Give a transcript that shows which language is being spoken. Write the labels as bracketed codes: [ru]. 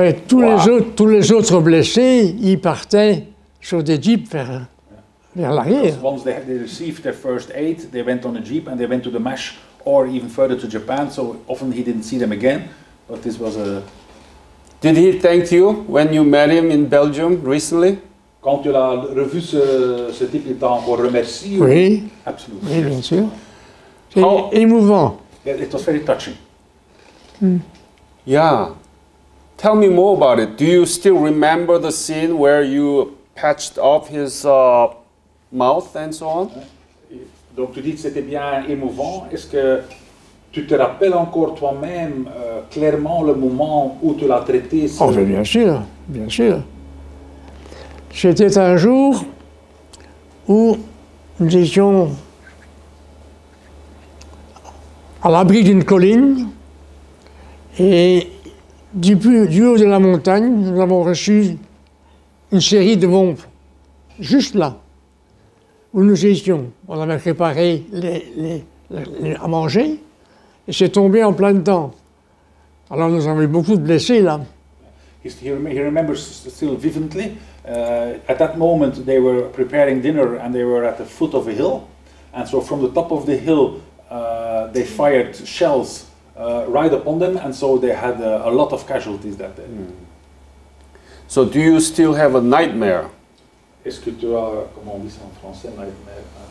[fr] Mais tous les autres blessés, ils partaient sur des jeeps vers l'arrière. [en] Because once they received their first aid, they went on a jeep and they went to the MASH or even further to Japan. So often he didn't see them again. But this was a. Did he thank you when you met him in Belgium recently? [fr] Quand tu l'as revu ce type, il t'a encore remercié. Oui. Absolument. Oui, bien sûr. C'est émouvant. [en] Yeah, it was very touching. Yeah. Tell me more about it. Do you still remember the scene where you patched up his mouth and so on? [fr] Donc tu dis que c'était bien émouvant. Est-ce que tu te rappelles encore toi-même clairement le moment où tu l'as traité? Oh, bien sûr, bien sûr. C'était un jour où nous étions à l'abri d'une colline, et du haut de la montagne, nous avons reçu une série de bombes, juste là, où nous étions. On avait préparé les à manger, et c'est tombé en plein temps. Alors nous avons eu beaucoup de blessés là. [en] He remembers still vividly. At that moment, they were preparing dinner, and they were at the foot of a hill. And so from the top of the hill, they fired shells right upon them, and so they had a lot of casualties that day. Mm. So do you still have a nightmare? [fr] Est-ce que tu as, comment on dit ça en français, nightmare?